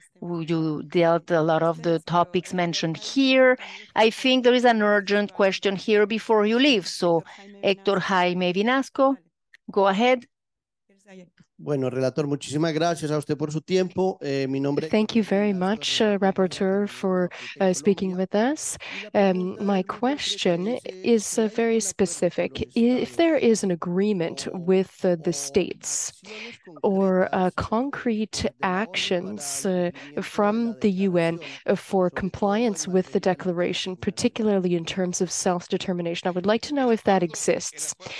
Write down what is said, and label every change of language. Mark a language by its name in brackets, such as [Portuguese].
[English] You dealt a lot of the topics mentioned here. I think there is an urgent question here before you leave. So Hector Jaime Vinasco, go ahead. [Spanish] Bueno, relator, muchísimas gracias a usted por su tiempo. Mi nombre. [English] Thank you very much, rapporteur, for speaking with us. My question is very specific. If there is an agreement with the states or concrete actions from the UN for compliance with the declaration, particularly in terms of self-determination, I would like to know if that exists.